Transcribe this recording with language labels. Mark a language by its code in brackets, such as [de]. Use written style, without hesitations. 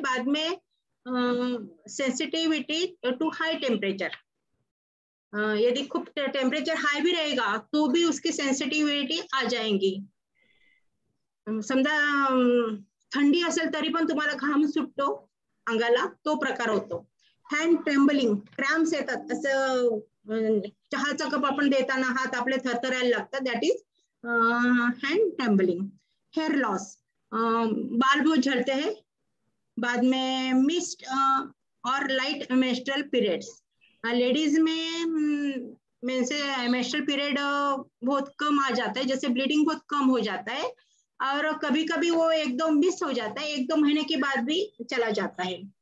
[hi] बाद में sensitivity to high temperature, यदि खूब टेम्परेचर हाई भी रहेगा तो भी उसकी सेंसिटिविटी आ जाएंगी। [mr] समझा ठंडी असल तरी पण तुम्हाला घाम सुटतो अंगाला, तो प्रकार होतो। हैंड ट्रेम्बलिंग, क्रॅम्स येतात, असं चहाचा कप आपण देताना हात आपले थरथरायला लागतात, [en] That is hand trembling. [hi] Hair loss, बाल भी झडते है। बाद में मिस्ट और लाइट मेस्ट्रल पीरियड्स, लेडीज में से मेस्ट्रल पीरियड बहुत कम आ जाता है, जैसे ब्लीडिंग बहुत कम हो जाता है और कभी कभी वो एकदम मिस हो जाता है, एक दो महीने के बाद भी चला जाता है।